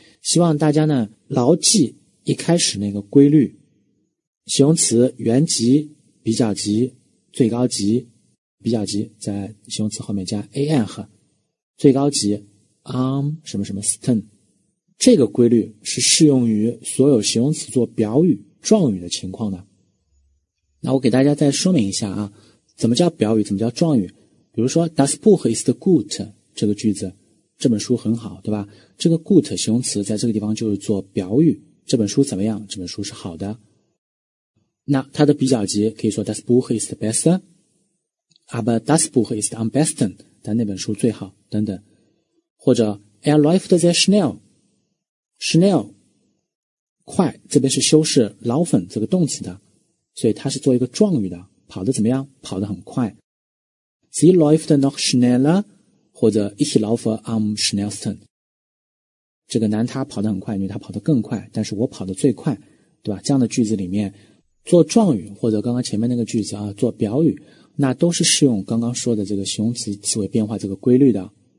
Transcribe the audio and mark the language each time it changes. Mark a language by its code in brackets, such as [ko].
[zh] 希望大家呢牢记一开始那个规律，形容词原级、比较级、最高级，比较级在形容词后面加 an 和最高级 am 什么什么 stan， 这个规律是适用于所有形容词做表语、状语的情况的。那我给大家再说明一下啊，怎么叫表语，怎么叫状语。比如说 [de] Das Buch ist gut [zh] 这个句子，这本书很好，对吧？这个 gut 形容词在这个地方就是做表语，这本书怎么样，这本书是好的。那它的比较级可以说 [de] Das Buch ist besser， aber Das Buch ist am besten， [zh] 但那本书最好等等。或者 [de] Er läuft sehr schnell， [zh] schnell 快，这边是修饰 laufen 这个动词的，所以它是做一个状语的，跑得怎么样，跑得很快。 [de] Sie läuft noch schneller， 或者 Ich laufe am schnellsten， [zh] 这个男他跑得很快，女他跑得更快，但是我跑得最快，对吧？这样的句子里面做状语，或者刚刚前面那个句子啊，做表语，那都是适用刚刚说的这个形容词词尾变化这个规律的。